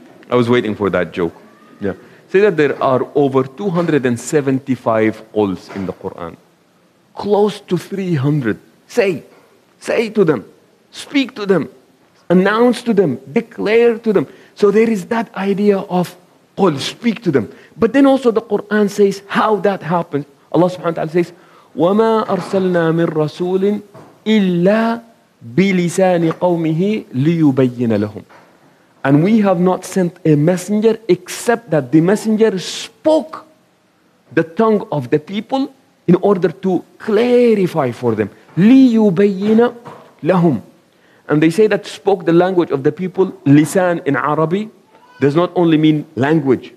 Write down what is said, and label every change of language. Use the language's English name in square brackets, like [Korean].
[English] I was waiting for that joke. Yeah. Say that there are over 275 quls in the Quran. Close to 300. Say to them. Speak to them. Announce to them. Declare to them. So there is that idea of qul, speak to them. But then also the Quran says how that happens. [Arabic] Allah subhanahu wa ta'ala says, وَمَا أَرْسَلْنَا مِن رَسُولٍ إِلَّا بِلِسَانِ قَوْمِهِ لِيُبَيِّنَ لَهُمْ. [English] And we have not sent a messenger except that the messenger spoke the tongue of the people in order to clarify for them. [Arabic] لِيُبَيِّنَ لَهُمْ. [English] And they say that spoke the language of the people, lisan in Arabic, does not only mean language.